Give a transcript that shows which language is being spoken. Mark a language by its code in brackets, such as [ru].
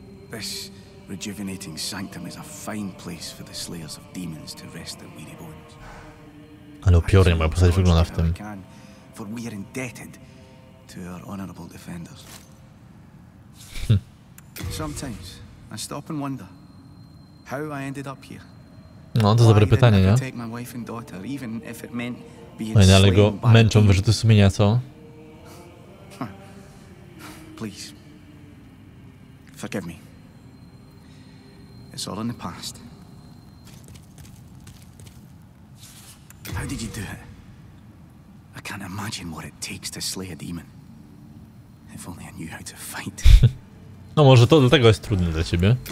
[en] This rejuvenating sanctum is a fine place for the slayers of demons to rest their weary bones. [pl] Ale upiornie moja postać wygląda w tym. [en] For we are indebted to our honorable defenders. Sometimes I stop and wonder how I ended up here. [pl] No to dobre pytanie, nie? [en] Take my wife and daughter, even if it meant being slain by demons. [pl] Ale go męczą wyrzuty sumienia, co? [en] Please forgive me. It's all in the past. How did you do it? I can't imagine what it takes to slay a demon. If only I knew how to fight. [pl] No może to dlatego jest trudne dla ciebie.